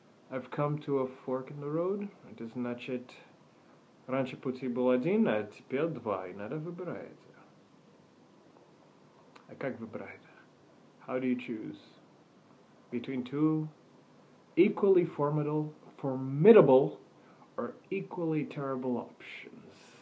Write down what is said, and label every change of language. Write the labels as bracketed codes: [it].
[en] I've come to a fork in the road. [ru] Это значит, раньше пути был один, а теперь два. И надо выбирать. А как выбирать? [en] How do you choose between two equally formidable or equally terrible options?